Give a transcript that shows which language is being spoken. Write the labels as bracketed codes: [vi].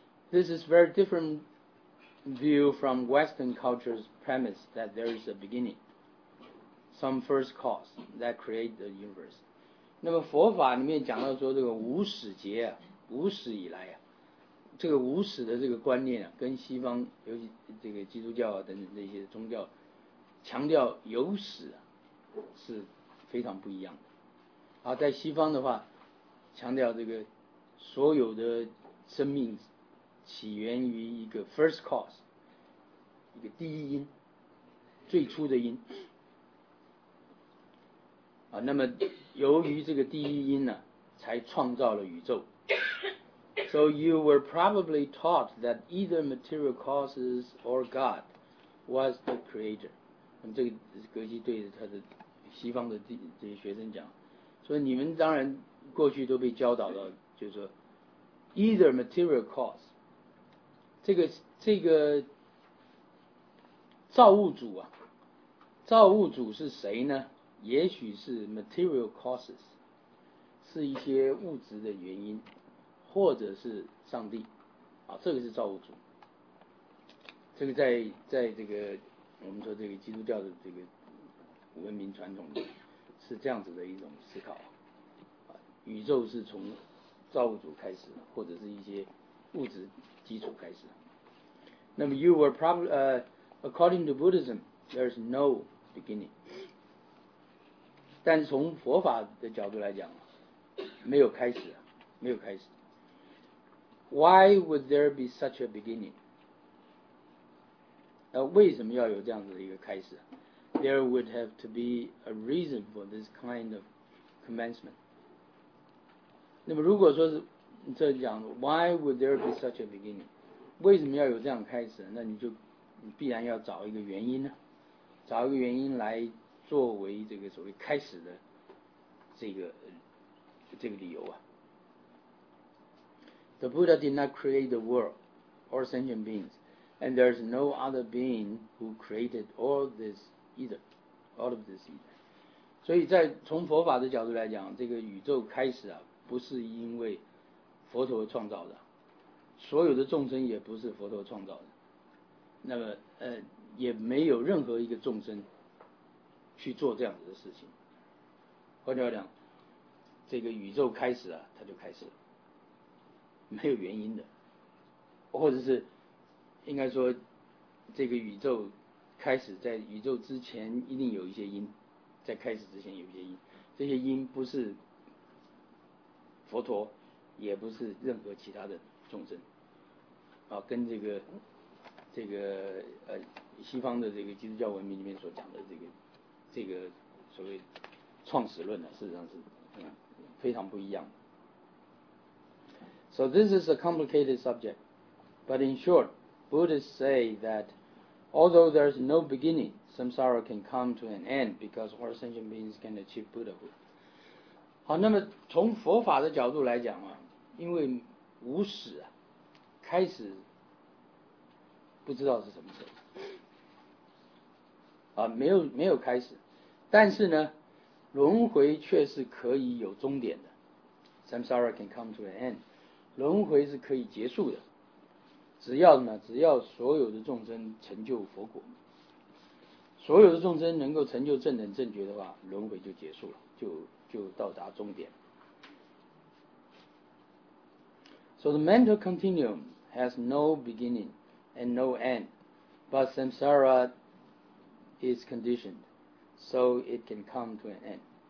[en] This is very different view from Western culture's premise that there is a beginning, some first cause that create the universe。 [zh] 那么佛法里面讲到说这个无始劫啊，无始以来啊，这个无始的这个观念啊，跟西方尤其这个基督教啊等等这些宗教强调有始啊，是非常不一样的。啊，在西方的话，强调这个所有的生命起源于一个 [en] first cause， [zh] 一个第一因，最初的因。啊，那么由于这个第一因呢、啊，才创造了宇宙。 [en] So you were probably taught that either material causes or God was the creator。 [zh] 那么这个格西对他的西方的这些学生讲。所以你们当然过去都被教导到，就是说 ， [en] either material cause， [zh] 这个造物主啊，造物主是谁呢？也许是 [en] material causes， [zh] 是一些物质的原因，或者是上帝，啊，这个是造物主。这个在这个我们说这个基督教的这个文明传统里，是这样子的一种思考。宇宙是从造物主开始，或者是一些物质基础开始。那么 [en] you were probably according to Buddhism, there is no beginning. [zh] 但是从佛法的角度来讲，没有开始，没有开始。 [en] Why would there be such a beginning? [zh] 为什么要有这样子的一个开始？ [en] There would have to be a reason for this kind of commencement. [zh] 那么如果说是这讲的 [en] Why would there be such a beginning? [zh] 为什么要有这样开始？那你就你必然要找一个原因呢，找一个原因来作为这个所谓开始的这个理由啊。 [en] The Buddha did not create the world or sentient beings, and there is no other being who created all this either. All of this either. [zh] 所以在从佛法的角度来讲，这个宇宙开始啊，不是因为佛陀创造的，所有的众生也不是佛陀创造的。那么，也没有任何一个众生去做这样子的事情。换句话讲，这个宇宙开始啊，它就开始了。没有原因的，或者是应该说这个宇宙开始在宇宙之前一定有一些因，在开始之前有一些因，这些因不是佛陀，也不是任何其他的众生啊，跟这个西方的这个基督教文明里面所讲的这个所谓创始论呢，事实上是非常不一样的。 [en] So this is a complicated subject, but in short, Buddhists say that although there is no beginning, samsara can come to an end because all sentient beings can achieve Buddhahood. [zh] 好，那么从佛法的角度来讲啊，因为无始啊，开始不知道是什么时候啊，没有开始，但是呢，轮回却是可以有终点的。 [en] Samsara can come to an end. [zh] 轮回是可以结束的，只要呢，只要所有的众生成就佛果，所有的众生能够成就正等正觉的话，轮回就结束了，就到达终点。 [en] So the mental continuum has no beginning and no end, but samsara is conditioned, so it can come to an end.